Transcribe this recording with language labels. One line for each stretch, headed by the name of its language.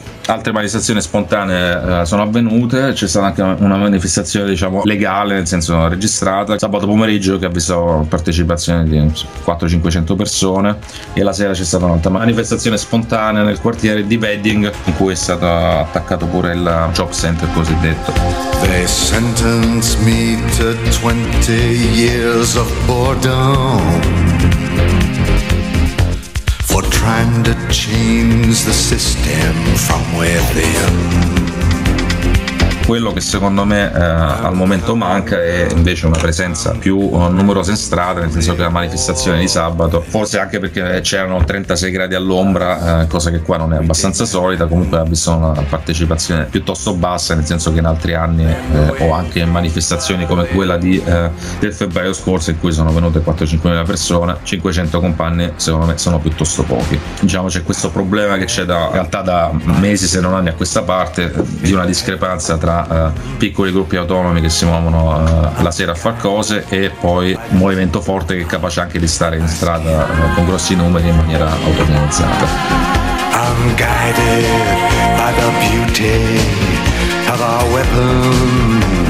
Italian: Altre manifestazioni spontanee sono avvenute, c'è stata anche una manifestazione legale, nel senso registrata, sabato pomeriggio, che ha visto partecipazione di 400-500 persone, e la sera c'è stata un'altra manifestazione spontanea nel quartiere di Wedding, in cui è stato attaccato pure il job center cosiddetto.
English: They sentenced me to 20 years of boredom for trying to change the system from within.
Italian: Quello che secondo me al momento manca è invece una presenza più numerosa in strada, nel senso che la manifestazione di sabato, forse anche perché c'erano 36 gradi all'ombra, cosa che qua non è abbastanza solita, comunque ha visto una partecipazione piuttosto bassa, nel senso che in altri anni o anche in manifestazioni come quella del febbraio scorso, in cui sono venute 4-5.000 persone, 500 compagni secondo me sono piuttosto pochi. C'è questo problema che c'è da mesi se non anni a questa parte, di una discrepanza tra piccoli gruppi autonomi che si muovono la sera a far cose e poi un movimento forte che è capace anche di stare in strada con grossi numeri in maniera autorganizzata.
English: I'm guided by the beauty of our weapons.